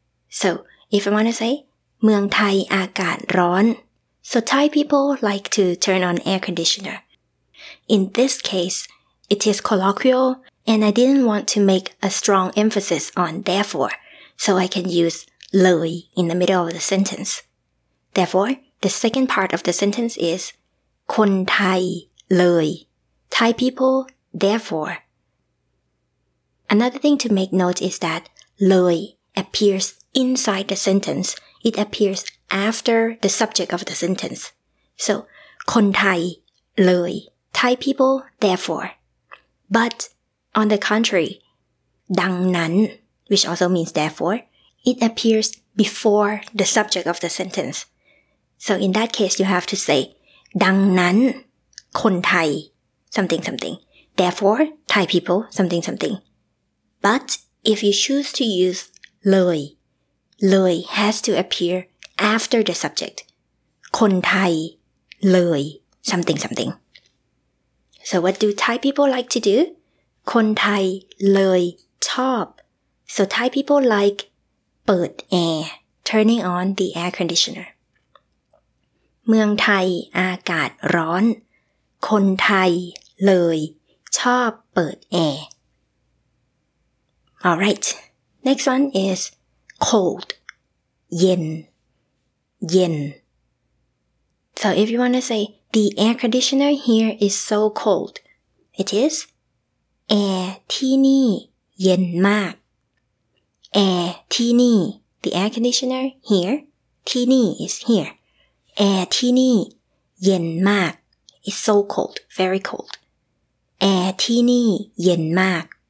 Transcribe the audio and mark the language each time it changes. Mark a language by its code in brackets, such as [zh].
[en] So if I want to say [th] เมืองไทยอากาศร้อน [en] So Thai people like to turn on air conditioner. In this case, it is colloquial and I didn't want to make a strong emphasis on therefore. So I can use เลย in the middle of the sentence.Therefore, the second part of the sentence is [th] คนไทยเลย [en] Thai people, therefore. Another thing to make note is that เลย appears inside the sentence. It appears after the subject of the sentence. So, [th] คนไทยเลย [en] Thai people, therefore. But, on the contrary, ดังนั้น which also means therefore, it appears before the subject of the sentence. So in that case, you have to say, [th] ดังนั้นคนไทย [en] something something. Therefore, Thai people something something. But if you choose to use เลย, เลย has to appear after the subject. [th] คนไทยเลย [en] something something. So what do Thai people like to do? [th] คนไทยเลยชอบ [en] So Thai people like เปิด air, turning on the air conditioner. [th] เมืองไทยอากาศร้อนคนไทยเลยชอบเปิด air. [en] Alright, next one is cold, เย็น เย็น So if you want to say the air conditioner here is so cold, it is air [th] ที่นี่เย็นมากAir ที่นี่ [en] the air conditioner here ที่นี่ is here [th] Air ที่นี่เย็นมาก [en] is so cold very cold Air ที่นี่เย็นมาก